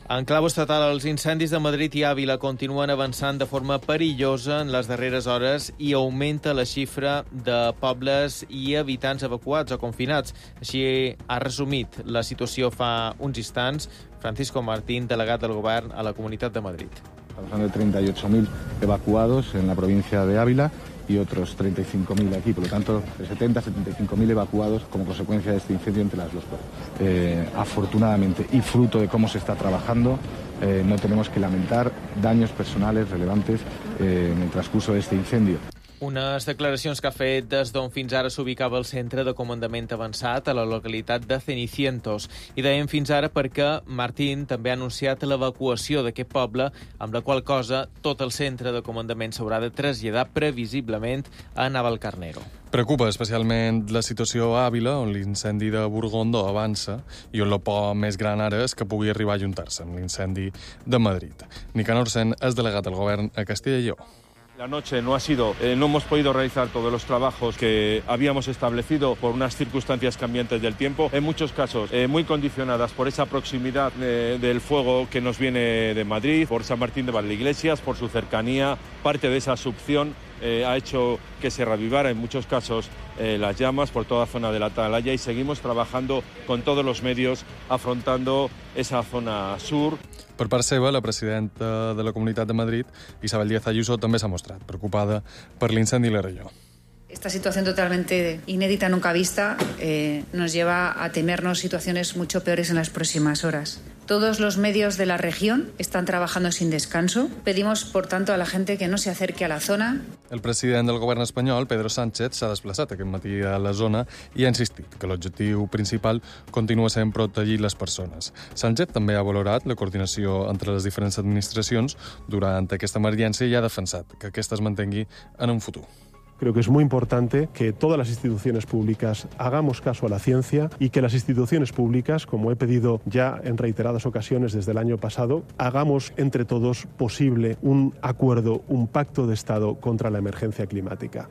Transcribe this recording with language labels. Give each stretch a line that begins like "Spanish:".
Catalan: En clau estatal, els incendis de Madrid i Àvila continuen avançant de forma perillosa en les darreres hores i augmenta la xifra de pobles i habitants evacuats o confinats. Així ha resumit la situació fa uns instants Francisco Martín, delegat del govern a la Comunitat de Madrid.
Spanish: Estamos hablando de 38.000 evacuados en la provincia de Ávila y otros 35.000 aquí, por lo tanto, 70-75.000 evacuados como consecuencia de este incendio entre las dos pueblos. Afortunadamente, y fruto de cómo se está trabajando, no tenemos que lamentar daños personales relevantes en el transcurso de este incendio.
Catalan: Unes declaracions que ha fet des d'on fins ara s'ubicava el centre de comandament avançat a la localitat de Cenicientos. I dèiem fins ara perquè Martín també ha anunciat l'evacuació d'aquest poble, amb la qual cosa tot el centre de comandament s'haurà de traslladar previsiblement a Navalcarnero. Preocupa especialment la situació a Ávila, on l'incendi de Burgondo avança i on la por més gran ara és que pugui arribar a ajuntar-se amb l'incendi de Madrid. Nicanor Sen és delegat del govern a Castilla i Lleó.
Spanish: La noche no ha sido, no hemos podido realizar todos los trabajos que habíamos establecido por unas circunstancias cambiantes del tiempo, en muchos casos muy condicionadas por esa proximidad del fuego que nos viene de Madrid, por San Martín de Valdeiglesias, por su cercanía, parte de esa succión ha hecho que se reavivara en muchos casos las llamas por toda la zona de la Atalaya y seguimos trabajando con todos los medios afrontando esa zona sur.
Catalan: Per part seva, la presidenta de la Comunitat de Madrid, Isabel Díaz Ayuso, també s'ha mostrat preocupada per l'incendi i la regió.
Spanish: Esta situación totalmente inédita, nunca vista, nos lleva a temernos situaciones mucho peores en las próximas horas. Todos los medios de la región están trabajando sin descanso. Pedimos, por tanto, a la gente que no se acerque a la zona.
Catalan: El president del govern espanyol, Pedro Sánchez, s'ha desplaçat aquest matí a la zona i ha insistit que l'objectiu principal continua sent protegir les persones. Sánchez també ha valorat la coordinació entre les diferents administracions durant aquesta emergència i ha defensat que aquesta es mantingui en un futur.
Spanish: Creo que es muy importante que todas las instituciones públicas hagamos caso a la ciencia y que las instituciones públicas, como he pedido ya en reiteradas ocasiones desde el año pasado, hagamos entre todos posible un acuerdo, un pacto de Estado contra la emergencia climática.